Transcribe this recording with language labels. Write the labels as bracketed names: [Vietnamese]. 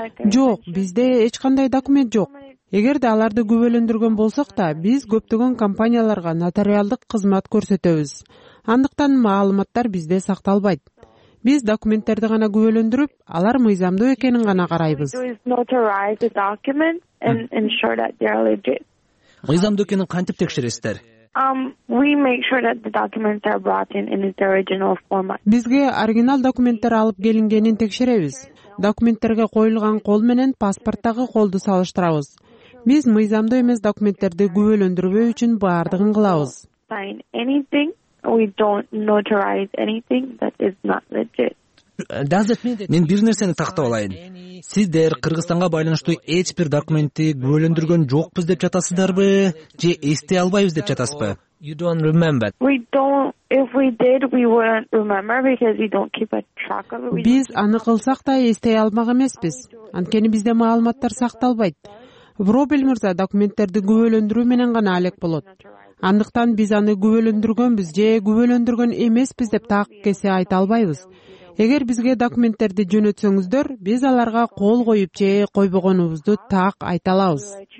[Kyrgyz] Жок, бизде эч кандай документ жок. Эгерде аларды күбөлөндүргөн болсок да, биз көптөгөн компанияларга нотариалдык кызмат көрсөтөбүз. Андыктан маалыматтар бизде сакталбайт. Биз документтерди гана күбөлөндүрүп, алар мыйзамдуу экенин гана карайбыз. Мыйзамдуу экенин кантип текшересиздер? Бизге оригинал документтер алып келингенин текшеребиз. Документтерге коюлган кол менен паспорттагы колду салыштырабыз. Биз мыйзамдуу эмес документтерди күбөлөндүрбөө үчүн баардыгын кылабыз. [English] We don't notarize anything that is not legit. Does it mean that [Kyrgyz] мен бир нерсени тактап алайын? Сиздер Кыргызстанга байланыштуу эч бир документти күбөлөндүргөн жокпуз деп жатасыздарбы же эстей албайбыз деп жатасызбы? [English] You don't remember. We don't if we did we wouldn't remember because we don't keep a track of it. [Kyrgyz] Биз аны кылсак да эстей алмак эмеспиз. Анткени бизде маалыматтар сакталбайт. Вробель мырза документтерди күбөлөндүрүү менен гана алек болот. Андыктан биз аны күбөлөндүргөнбүз же күбөлөндүргөн эмеспиз деп так кесе айта албайбыз. Эгер бизге документтерди жөнөтсөңүздөр, биз аларга кол коюп же койбогонубузду так айта алабыз.